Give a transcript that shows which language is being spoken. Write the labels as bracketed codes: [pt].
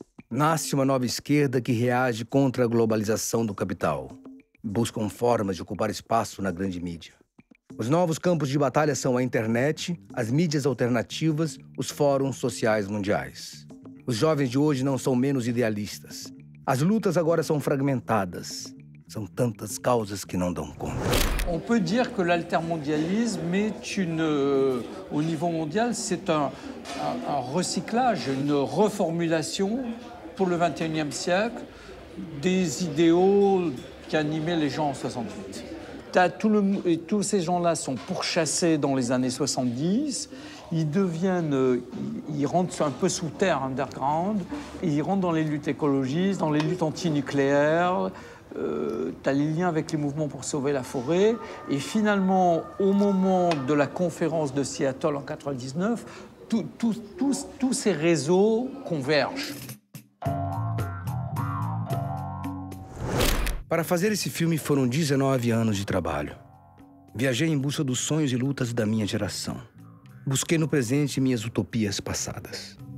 [pt] Nasce uma nova esquerda que reage contra a globalização do capital. Buscam formas de ocupar espaço na grande mídia. Os novos campos de batalha são a internet, as mídias alternativas, os fóruns sociais mundiais. Os jovens de hoje não são menos idealistas. As lutas agora são fragmentadas. São tantas causas que não dão conta. [fr] On peut dire que l'altermondialisme est une, au niveau mondial, c'est un recyclage, une reformulation pour le 21e siècle des idéaux qui animaient les gens en 68. Et tous ces gens-là sont pourchassés dans les années 70. Ils deviennent, ils rentrent un peu sous terre, underground, et ils rentrent dans les luttes écologistes, dans les luttes anti-nucléaires. T'as les liens avec les mouvements pour sauver la forêt. Et finalement, au moment de la conférence de Seattle en 99, tous ces réseaux convergent. [pt] Para fazer esse filme foram 19 anos de trabalho. Viajei em busca dos sonhos e lutas da minha geração. Busquei no presente minhas utopias passadas.